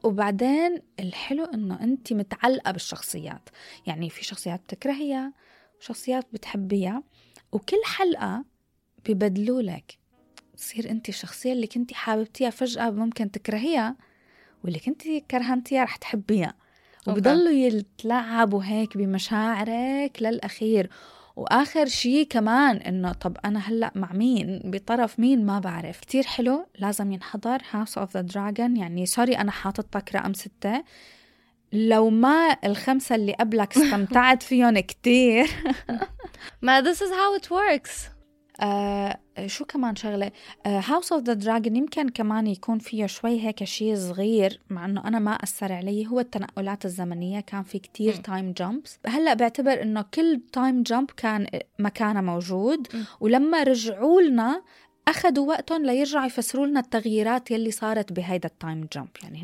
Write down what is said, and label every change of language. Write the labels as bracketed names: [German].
[Arabic] وبعدين الحلو انه انت متعلقه بالشخصيات يعني في شخصيات بتكرهيها وشخصيات بتحبيها وكل حلقه ببدلوا لك تصير انت الشخصيه اللي كنتي حاببتيها فجاه ممكن تكرهيها واللي كنتي كرهنتيها رح تحبيها وبيضلوا يتلعبوا هيك بمشاعرك للأخير. وآخر شيء كمان إنه طب أنا هلأ مع مين بطرف مين ما بعرف. كتير حلو لازم ينحضر House of the Dragon. يعني سوري أنا حاطتك رقم 6 لو ما الخمسة اللي قبلك استمتعت فيهم كتير. [English] ما this is how it works. [Arabic] شو كمان شغلة House of the Dragon يمكن كمان يكون فيه شوي هيك شيء صغير مع أنه أنا ما أثر علي هو التنقلات الزمنية كان في كتير [English] time jumps. [Arabic] هلأ بعتبر أنه كل time jump كان مكانه موجود ولما رجعوا لنا أخذوا وقتهم ليرجعوا يفسروا لنا التغييرات يلي صارت بهيدا التايم جامب يعني